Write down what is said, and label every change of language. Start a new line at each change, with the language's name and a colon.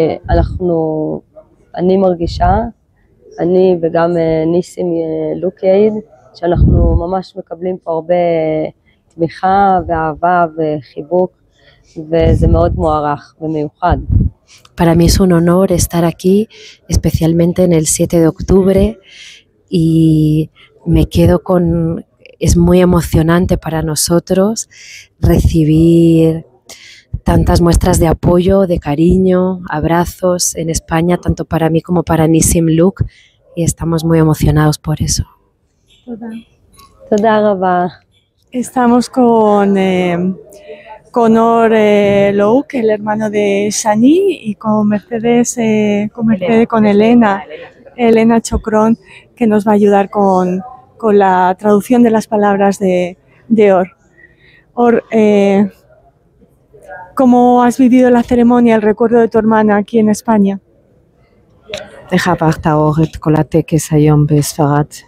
Hebrew: Anachnu ani margisha אני וגם ניסים לוקייד, שאנחנו ממש מקבלים פה הרבה תמיכה ואהבה וחיבוק, וזה מאוד מוערך ומיוחד.
Spanish: Para mí es un honor estar aquí, especialmente en el 7 de octubre, y me quedo con... Es muy emocionante para nosotros recibir tantas muestras de apoyo, de cariño, abrazos en España, tanto para mí como para Nisim Luke, y estamos muy emocionados por eso.
Hebrew: Toda raba.
Spanish: Estamos con Conor Luke, el hermano de Shani, y con Mercedes, con Elena Chocron, que nos va a ayudar con la traducción de las palabras de Or. Or, ¿cómo has vivido la ceremonia, el recuerdo de tu hermana aquí en España?
Hebrew: איך עברת אור את כל הטקס היום בספרד?